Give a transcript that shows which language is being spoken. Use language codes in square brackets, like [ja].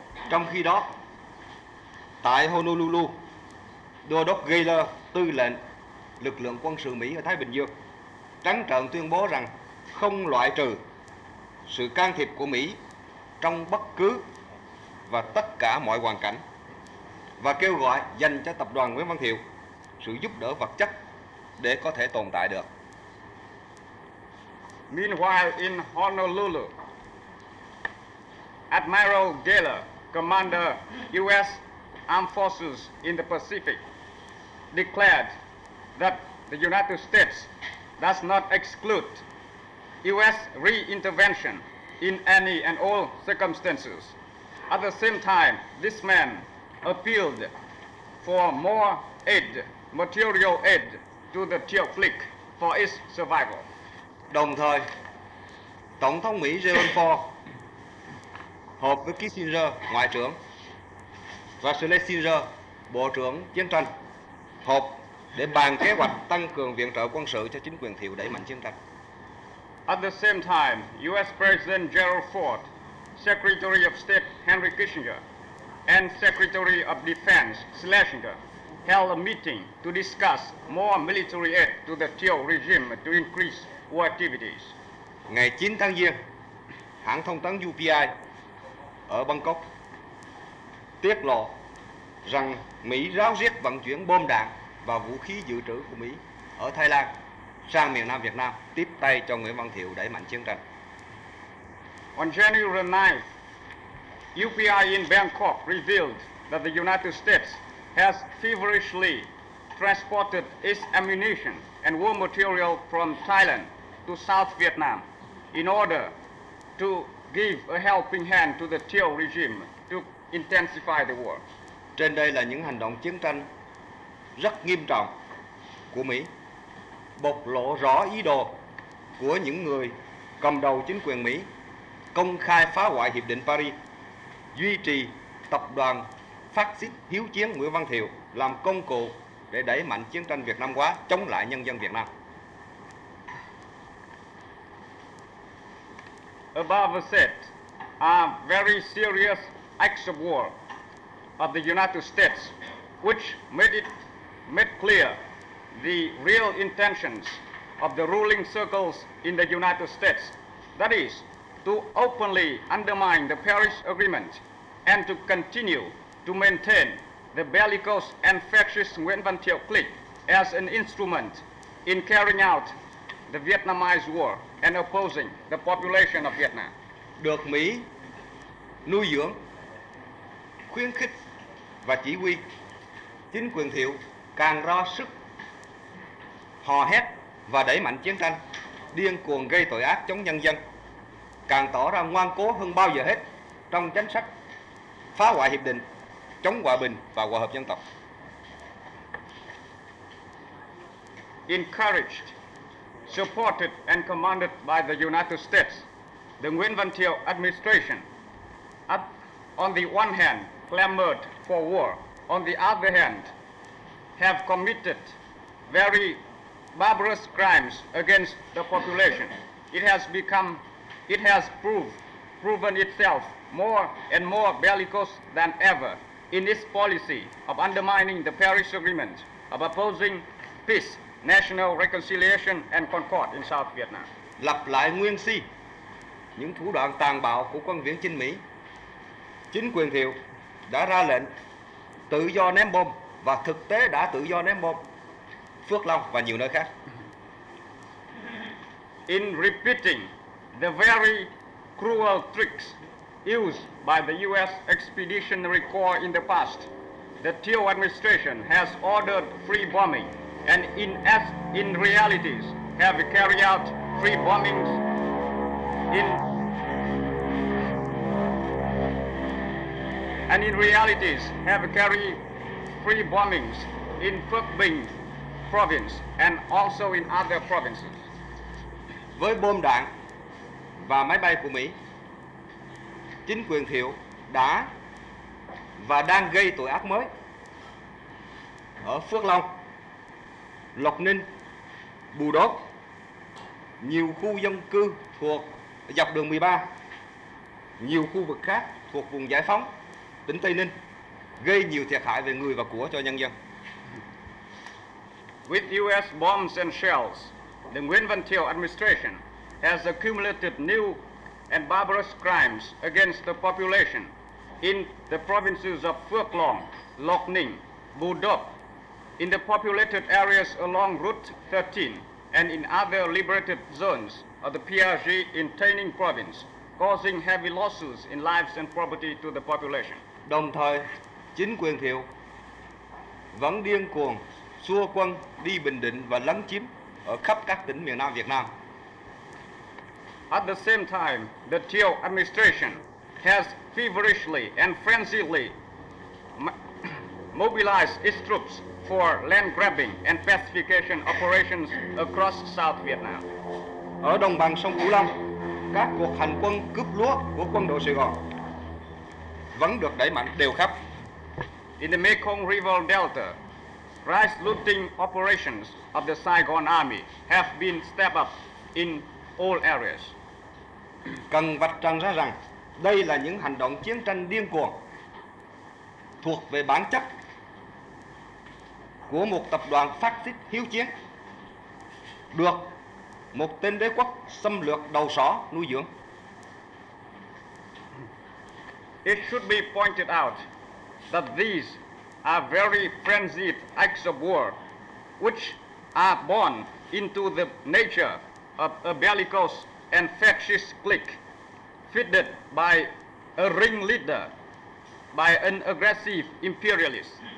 [vi] Trong khi đó, tại Honolulu, Đô đốc Gaylor tư lệnh lực lượng quân sự Mỹ ở Thái Bình Dương trắng trợn tuyên bố rằng không loại trừ sự can thiệp của Mỹ trong bất cứ và tất cả mọi hoàn cảnh và kêu gọi dành cho tập đoàn Nguyễn Văn Thiệu sự giúp đỡ vật chất để có thể tồn tại được. [en] Meanwhile in Honolulu, Admiral Gaylor, commander US Armed Forces in the Pacific, declared that the United States does not exclude US re-intervention in any and all circumstances. At the same time, this man appealed for more aid, material aid to the Thieu clique for its survival. [vi] Đồng thời, Tổng thống Mỹ Gerald Ford họp với Kissinger, Ngoại trưởng, và Schlesinger, Bộ trưởng Chiến tranh, họp để bàn kế hoạch tăng cường viện trợ quân sự cho chính quyền Thiệu đẩy mạnh chiến tranh. [en] At the same time, US President Gerald Ford, Secretary of State Henry Kissinger, and Secretary of Defense Schlesinger held a meeting to discuss more military aid to the Thieu regime to increase war activities. [vi] Ngày 9 tháng Giêng, hãng thông tấn UPI ở Bangkok tiết lộ rằng Mỹ ráo riết vận chuyển bom đạn và vũ khí dự trữ của Mỹ ở Thái Lan sang miền Nam Việt Nam tiếp tay cho Nguyễn Văn Thiệu đẩy mạnh chiến tranh. [en] On January 9th, UPI in Bangkok revealed that the United States has feverishly transported its ammunition and war material from Thailand to South Vietnam in order to give a helping hand to the Thieu regime to intensify the war. [vi] Trên đây là những hành động chiến tranh rất nghiêm trọng của Mỹ, bộc lộ rõ ý đồ của những người cầm đầu chính quyền Mỹ công khai phá hoại Hiệp định Paris, duy trì tập đoàn phát xít hiếu chiến Nguyễn Văn Thiệu làm công cụ để đẩy mạnh chiến tranh Việt Nam hóa chống lại nhân dân Việt Nam. [en] Above said, a very serious acts of war of the United States, which made clear the real intentions of the ruling circles in the United States, that is, to openly undermine the Paris Agreement and to continue to maintain the bellicose and fascist Nguyễn Văn Thiệu clique as an instrument in carrying out the Vietnamese war and opposing the population of Vietnam. [vi] Được Mỹ nuôi dưỡng, khuyến khích và chỉ huy, chính quyền Thiệu càng ra sức hò hét và đẩy mạnh chiến tranh điên cuồng gây tội ác chống nhân dân, càng tỏ ra ngoan cố hơn bao giờ hết trong chính sách phá hoại hiệp định, chống hòa bình và hòa hợp dân tộc. [en] Encouraged, supported and commanded by the United States, the Nguyễn Văn Thiệu administration, on the one hand, clamored for war, on the other hand, have committed very barbarous crimes against the population. It has proven itself more and more bellicose than ever in its policy of undermining the Paris Agreement, of opposing peace, national reconciliation and concord in South Vietnam. [vi] Lặp lại nguyên si những thủ đoạn tàn bạo của quân viễn chinh Mỹ, chính quyền Thiệu đã ra lệnh tự do ném bom và thực tế đã tự do ném bom Phước Long và nhiều nơi khác. [en] In repeating the very cruel tricks used by the U.S. Expeditionary Corps in the past, the Thiệu administration has ordered free bombing and in reality have carried out free bombings in Phước Bình province and also in other provinces. [vi] Với bom đạn và máy bay của Mỹ, chính quyền Thiệu đã và đang gây tội ác mới ở Phước Long, Lộc Ninh, Bù Đốp, nhiều khu dân cư thuộc dọc đường 13, nhiều khu vực khác thuộc vùng giải phóng, tỉnh Tây Ninh, gây nhiều thiệt hại về người và của cho nhân dân. [en] With US bombs and shells, the Nguyễn Văn Thiệu administration has accumulated new and barbarous crimes against the population in the provinces of Phước Long, Lộc Ninh, Bù Đốp, in the populated areas along Route 13 and in other liberated zones of the PRG in Tay Ninh province, causing heavy losses in lives and property to the population. [vi] Đồng thời, chính quyền Thiệu vẫn điên cuồng xua quân đi bình định và lấn chiếm ở khắp các tỉnh miền Nam Việt Nam. [en] At the same time, the Thiệu administration has feverishly and frenziedly mobilized its troops for land grabbing and pacification operations across South Vietnam. [vi] Ở đồng bằng sông Cửu Long, các cuộc hành quân cướp lúa của quân đội Sài Gòn vẫn được đẩy mạnh đều khắp. [en] In the Mekong River Delta, rice looting operations of the Saigon Army have been stepped up in all areas. [vi] Cần vạch trần ra rằng đây là những hành động chiến tranh điên cuồng thuộc về bản chất của một tập đoàn phát xít hiếu chiến được một tên đế quốc xâm lược đầu sỏ nuôi dưỡng. [en] It should be pointed out that these are very frenzied acts of war which are born into the nature of a bellicose and fascist clique fitted by a ringleader, by an aggressive imperialist.